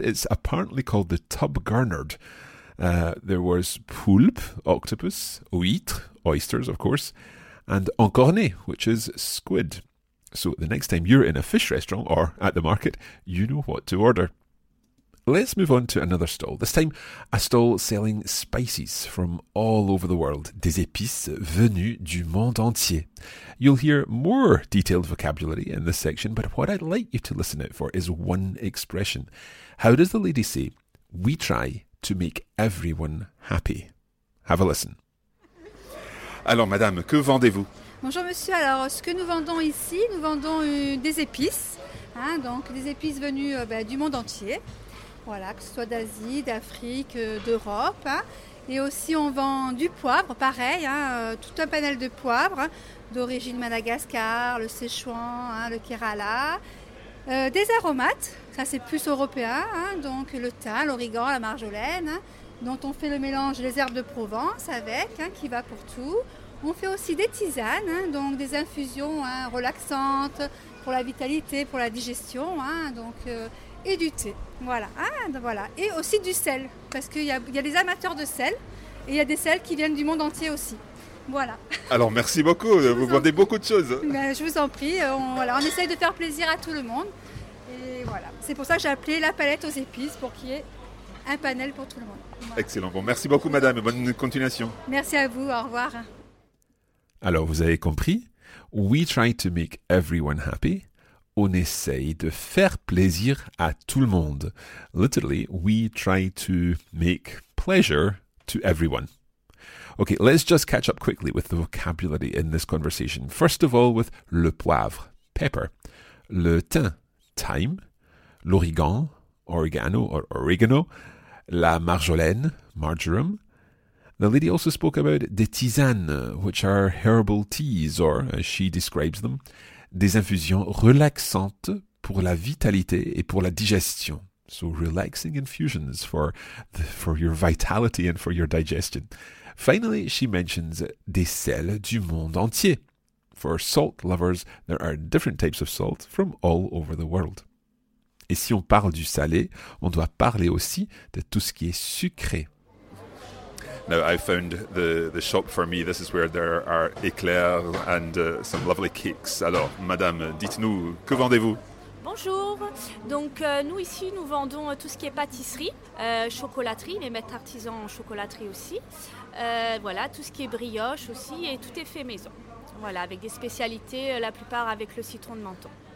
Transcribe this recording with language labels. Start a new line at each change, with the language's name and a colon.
English: It's apparently called the tub gurnard. There was poulpe, octopus, huître, oysters, of course, and encorné, which is squid. So the next time you're in a fish restaurant or at the market, you know what to order. Let's move on to another stall. This time, a stall selling spices from all over the world.
French: Des épices venues du monde entier.
English: You'll hear more detailed vocabulary in this section, but what I'd like you to listen out for is one expression. How does the lady say, we try to make everyone happy? Have a listen.
French: Alors, madame, que vendez-vous? Bonjour, monsieur. Alors, ce que nous vendons ici, nous vendons des épices. Hein, donc, des épices venues du monde entier. Voilà, que ce soit d'Asie, d'Afrique, d'Europe. Hein. Et aussi, on vend du poivre, pareil, hein, tout un panel de poivre hein, d'origine Madagascar, le Sichuan, hein, le Kerala. Des aromates, ça c'est plus européen, hein, donc le thym, l'origan, la marjolaine, hein, dont on fait le mélange des herbes de Provence avec, hein, qui va pour tout. On fait aussi des tisanes, hein, donc des infusions hein, relaxantes pour la vitalité, pour la digestion, hein, donc, et du thé. Voilà, hein, voilà. Et aussi du sel, parce qu'il y a des amateurs de sel, et il y a des sels qui viennent du monde entier aussi. Voilà. Alors merci beaucoup, vous vendez beaucoup de choses. Ben, je vous en prie, on essaye de faire plaisir à tout le monde. Et voilà, c'est pour ça que j'ai appelé la palette aux épices, pour qu'il y ait un panel pour tout le monde. Voilà. Excellent, bon, merci beaucoup madame, bonne continuation. Merci à vous, au revoir. Alors vous avez compris,
English: we try to make everyone happy.
French: On essaye de faire plaisir à tout le monde.
English: Literally, we try to make pleasure to everyone. Okay, let's just catch up quickly with the vocabulary in this conversation. First of all, with le poivre, pepper. Le thym, thyme. L'origan, oregano or oregano. La marjolaine, marjoram. The lady also spoke about des tisanes, which are herbal teas, or as she describes them,
French: des infusions relaxantes pour la vitalité et pour la digestion.
English: So relaxing infusions for your vitality and for your digestion. Finally, she mentions
French: des sels du monde entier.
English: For salt lovers, there are different types of salt from all over the world.
French: Et si on parle du salé, on doit parler aussi de tout ce qui est sucré.
English: Now, I found the shop for me. This is where there are éclairs and some lovely cakes.
French: Alors, madame, dites-nous, que vendez-vous? Bonjour. Donc, nous ici, nous vendons tout ce qui est pâtisserie, chocolaterie, les maîtres artisans en chocolaterie aussi. Voilà, tout ce qui est brioche aussi, et tout est fait maison. Voilà, avec des spécialités, la plupart avec le citron de menton.